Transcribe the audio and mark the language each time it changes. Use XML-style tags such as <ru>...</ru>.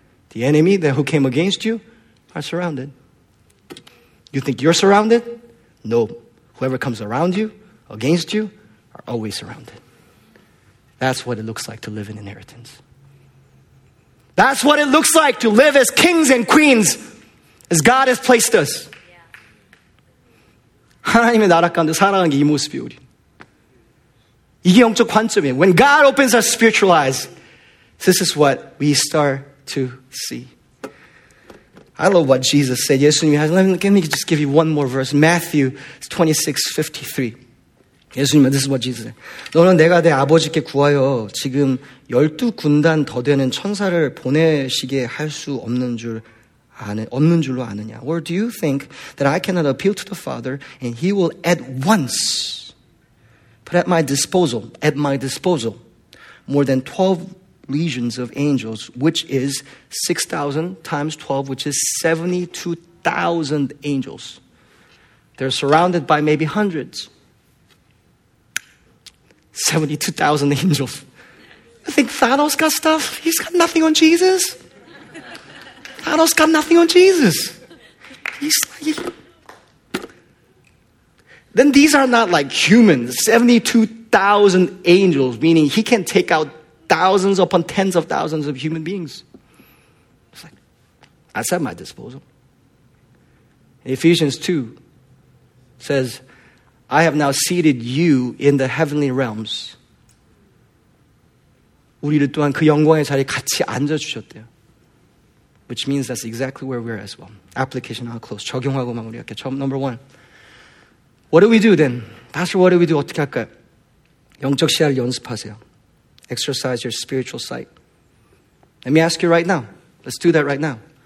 <en>The enemy that who came against you are surrounded. You think you're surrounded? No. Whoever comes around you, against you, are always surrounded. That's what it looks like to live in inheritance. That's what it looks like to live as kings and queens, as God has placed us.</en> <ko>하나님의 나라 가운데 살아가는 게 이 모습이에요. 우리. 이게 영적 관점이에요.</ko> <en>When God opens our spiritual eyes, this is what we start to see. I love what Jesus said. 예수님이 let me just give you one more verse. Matthew 26:53. 예수님, this is what Jesus said.</en> <ko>너는 내가 내 아버지께 구하여 지금 열두 군단 더 되는 천사를 보내시게 할 수 없는 줄 없는 줄로 아느냐?</ko> <en>Or do you think that I cannot appeal to the Father and He will at once put at my disposal more than 12 legions of angels, which is 6,000 times 12, which is 72,000 angels. They're surrounded by maybe hundreds. 72,000 angels. You think Thanos got stuff? He's got nothing on Jesus? Thanos got nothing on Jesus. Then these are not like humans. 72,000 angels, meaning he can take out thousands upon tens of thousands of human beings. It's like, that's at my disposal. Ephesians 2 says, I have now seated you in the heavenly realms.</en> <ko>우리를 또한 그 영광의 자리에 같이 앉아주셨대요.</ko> <en>Which means that's exactly where we are as well. Application, I'll close.</en> <ko>적용하고 마무리할게요.</ko> <en>Number one. What do we do then? Pastor, what do we do?</en> <ko>어떻게 할까요? 영적 시야를 연습하세요.</ko> <en>Exercise your spiritual sight. Let me ask you right now. Let's do that right now.</en>